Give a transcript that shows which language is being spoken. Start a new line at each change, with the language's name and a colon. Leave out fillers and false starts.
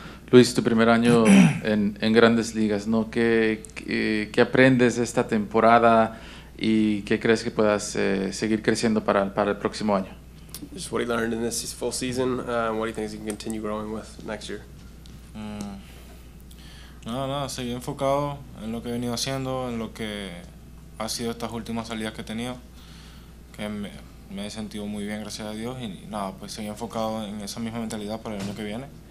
Spanish: Luis, tu primer año en Grandes Ligas, ¿no? ¿Qué aprendes de esta temporada y qué crees que puedas seguir creciendo para el próximo año?
English: Just what he learned in this full season, and what he thinks he can continue growing with next year.
Spanish: Seguir enfocado en lo que he venido haciendo, en lo que ha sido estas últimas salidas que he tenido, que me he sentido muy bien, gracias a Dios, y seguir enfocado en esa misma mentalidad para el año que viene.